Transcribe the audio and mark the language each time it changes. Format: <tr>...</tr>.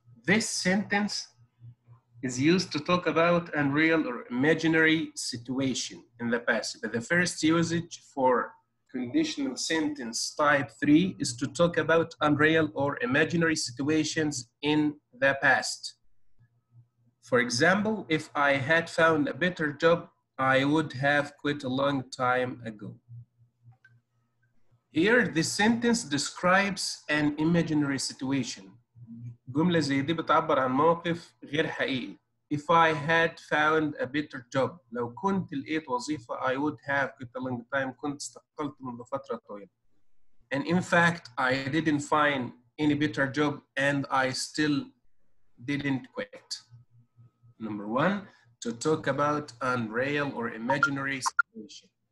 <en>This sentence is used to talk about unreal or imaginary situation in the past, but the first usage for conditional sentence type 3 is to talk about unreal or imaginary situations in the past. For example, if I had found a better job, I would have quit a long time ago. Here, the sentence describes an imaginary situation.</en> <ar>جملة زي دي بتعبر عن موقف غير حقيقي.</ar> <en>If I had found a better job,</en> <ar>لو كنت لقيت وظيفة,</ar> <en>I would have quit a long time,</en> <ar>كنت استقلت منذ فترة طويلة.</ar> <en>And in fact, I didn't find any better job and I still didn't quit. Number one, to talk about unreal or imaginary situation.</en>